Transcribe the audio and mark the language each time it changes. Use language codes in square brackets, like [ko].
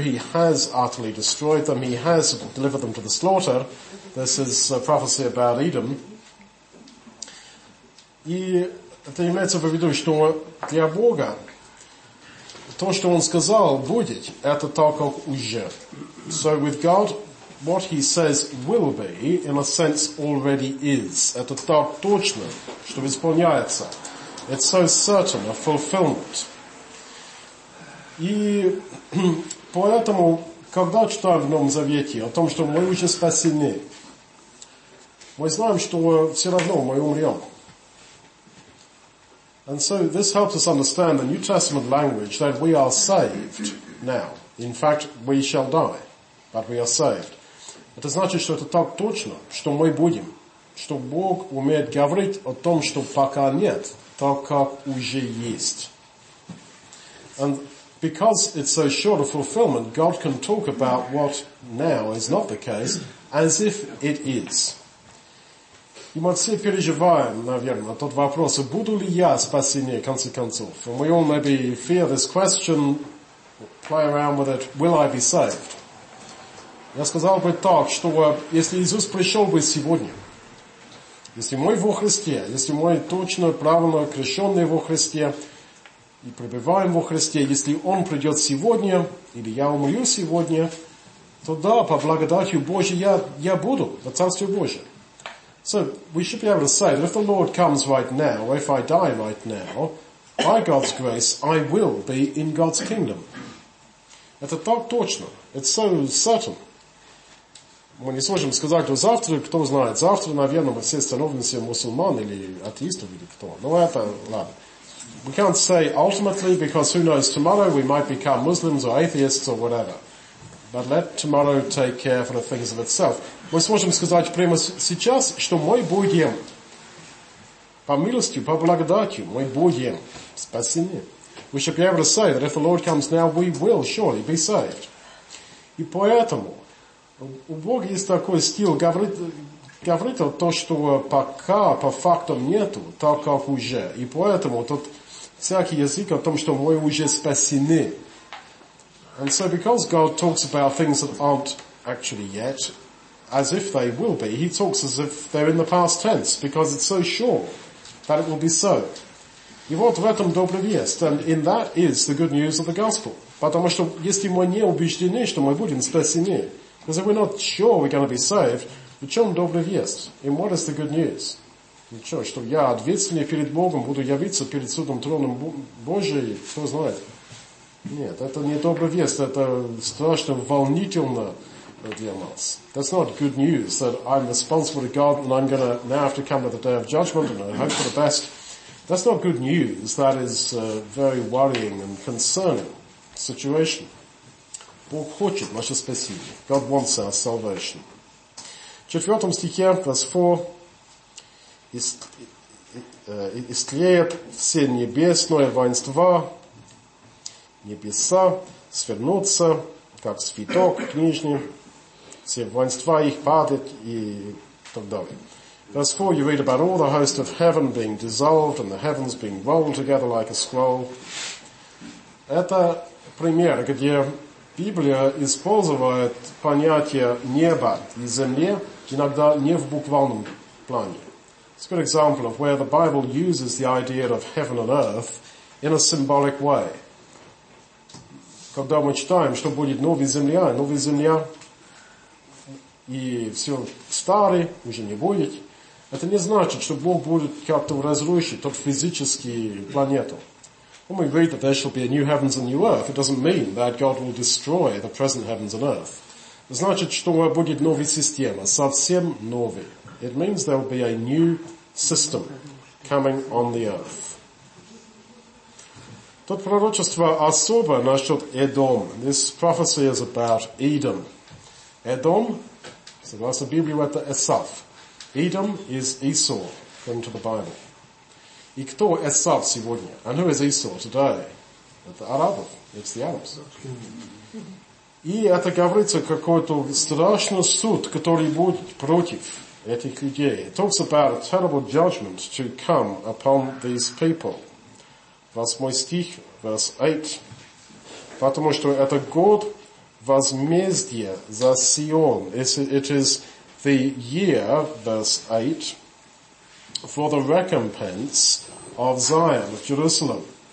[en] He has utterly destroyed them. He has delivered them to the slaughter. This is a prophecy about Edom. [ru] И это имеется в виду, что для Бога то, что он сказал, будет, это так, как уже. [en] So with God, what he says will be, in a sense, already is. [ru] Это так точно, что исполняется. [en] It's so certain, a fulfillment. [ru] И поэтому, когда читаем в Новом Завете о том, что мы уже спасены, мы знаем, что все равно мы умрем. [en] And so this helps us understand the New Testament language that we are saved now. In fact, we shall die, but we are saved. [ru] Это значит, что это так точно, что мы будем, что Бог умеет говорить о том, что пока нет, так как уже есть. [en] And because it's so short of fulfillment, God can talk about what now is not the case as if it is. [ru] И мы все переживаем, наверное, тот вопрос, буду ли я спасение, в конце концов. [en] And we all maybe fear this question, play around with it, will I be saved? [ru] Я сказал бы так, что если Иисус пришел бы сегодня, если мы во Христе, если мы точно, правильно крещенные во Христе и пребываем во Христе, если Он придет сегодня, или я умру сегодня, то да, по благодатью Божьей я буду в Царстве Божьем. [en] So, we should be able to say that if the Lord comes right now, if I die right now, by God's grace, I will be in God's kingdom. [ru] Это так точно. [en] It's so certain. [ru] Мы не сможем сказать, что завтра, кто знает, завтра, наверное, мы все становимся мусульманами или атеистами, или кто. Но это, ладно. [en] We can't say ultimately, because who knows, tomorrow we might become Muslims or atheists or whatever. But let tomorrow take care for the things of itself. [ru] Мы сможем сказать прямо сейчас, что мы будем, по милости, по благодати, мы будем спасены. [en] We should be able to say that if the Lord comes now, we will surely be saved. [ru] И поэтому у Бога есть такой стиль говорить о том, что пока по фактам нету, так как уже. И поэтому тут всякий язык о том, что мы уже спасены. [en] And so because God talks about things that aren't actually yet, as if they will be, he talks as if they're in the past tense, because it's so sure that it will be so. [ru] И вот в этом добрый вест, [en] and in that is the good news of the gospel. [ru] Потому что если мы не убеждены, что мы будем спасены, [en] because if we're not sure we're going to be saved, [ru] в чем добрый вест? [en] And what is the good news? [ru] Ну что, что я ответственный перед Богом, буду явиться перед судом троном Божьей, кто знает. Нет, это не добрый вест, это страшно волнительно для нас. [en] That's not good news, that I'm responsible to God and I'm going to now have to come to the day of judgment and I hope for the best. That's not good news, that is a very worrying and concerning situation. [ru] Бог хочет наше спасение. [en] God wants our salvation. [ru] В 4 стихе, [en] verse 4, [ru] истлеет все небесное воинство, небеса свернутся, как цветок книжный, все воинства их падают и так далее. [en] Verse 4, you read about all the host of heaven being dissolved and the heavens being rolled together like a scroll. [ru] Это пример, где Библия использует понятие неба и земли, иногда не в буквальном плане. [en] It's a good example of where the Bible uses the idea of heaven and earth in a symbolic way. [ru] Когда мы читаем, что будет новая земля, и все старое уже не будет, это не значит, что Бог будет как-то разрушить тот физический планету. [en] When we read that there shall be a new heavens and new earth, it doesn't mean that God will destroy the present heavens and earth. [ru] Это значит, что будет новая система, совсем новая. [en] It means there will be a new system coming on the earth. [ru] Тут пророчество особо насчет Эдом. [en] This prophecy is about Edom. [ru] Эдом, согласно Библии, это Эсав. [en] Edom is Esau, according to the Bible. [ru] И кто Эсав сегодня? [en] And who is Esau today? [ru] Это арабов. [en] It's the Arabs. [ru] И это говорится какой-то страшный суд, который будет против этих людей. [en] It talks about a terrible judgment to come upon these people. [ru] Восьмой стих, [en] verse 8. [ru] Потому что это год возмездия за Сион. [en] It is the year, verse 8, for the recompense of Zion, of Jerusalem.